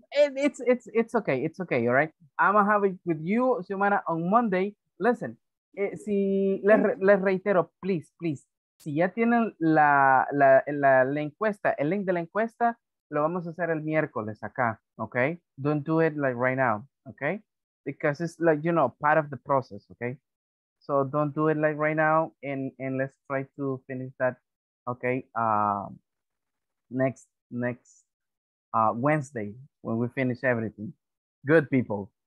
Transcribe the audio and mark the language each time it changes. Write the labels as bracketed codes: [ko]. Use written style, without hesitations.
[en] It's okay. It's okay, all right? I'm going to have it with you, Xiomara, on Monday. Listen, [es] si les reitero, please, please, si ya tienen la encuesta, el link de la encuesta, lo vamos a hacer el miércoles acá, okay? [en] Don't do it like right now, okay? Because it's like, you know, part of the process, okay? So don't do it like right now, and let's try to finish that, okay? Next Wednesday, when we finish everything. Good people.